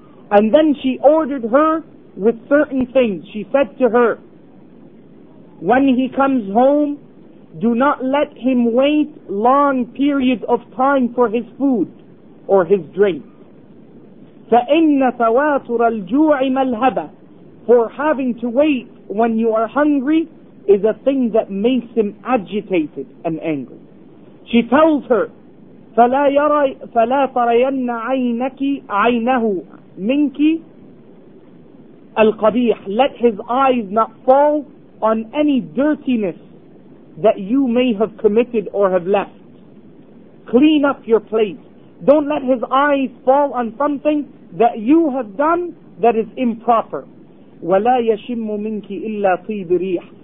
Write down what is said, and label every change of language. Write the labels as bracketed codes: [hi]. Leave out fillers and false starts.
[en] And then she ordered her with certain things. She said to her, when he comes home, do not let him wait long periods of time for his food or his drink. [ar] فَإِنَّ تَوَاتُرَ الْجُوعِ مَلْهَبَةً. [en] For having to wait when you are hungry is a thing that makes him agitated and angry. She tells her, [ar] فَلَا تَرَيَنَّ عَيْنَكِ عَيْنَهُ مِنْكِ الْقَبِيحِ. [en] Let his eyes not fall on any dirtiness that you may have committed or have left. Clean up your plate. Don't let his eyes fall on something that you have done that is improper. [ar] وَلَا يَشِمُّ مِنْكِ إِلَّا طِيبِ رِيحِ.